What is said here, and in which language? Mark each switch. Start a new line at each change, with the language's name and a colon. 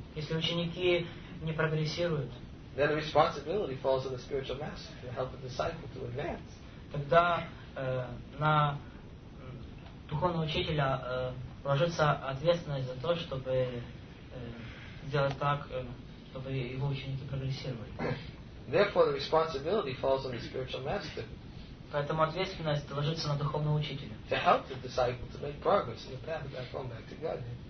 Russian: Если ученики не прогрессируют,
English: then the responsibility falls on the spiritual master to help the disciple to advance.
Russian: Тогда на духовного учителя ложится ответственность за то, чтобы сделать так, чтобы его ученики прогрессировали.
English: Therefore, the responsibility falls on the spiritual master.
Russian: Поэтому ответственность ложится на духовного учителя.
English: To help the disciple to make progress in the path back home back to God.